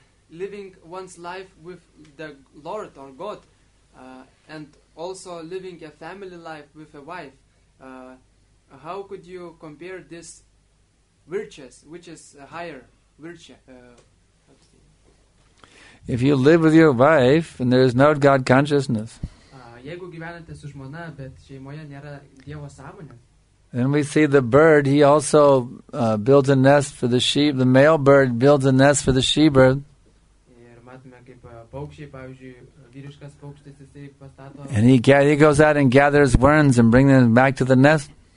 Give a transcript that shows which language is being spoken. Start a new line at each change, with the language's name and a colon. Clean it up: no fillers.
English: Living one's life with the Lord or God, and also living a family life with a wife, how could you compare this virtues, which is a higher virtue? If you live with your wife and there is no God consciousness,
Lithuanian: jeigu gyvenate su žmona, bet šeimoje nėra Dievo sąmonės,
English: then we see the bird, he also builds a nest for the sheep, the male bird builds a nest for the she bird.
Lithuanian: Ir matome, kaip paukščiai, pavyzdžiui,
English: and he goes out and gathers worms and brings them back to the nest.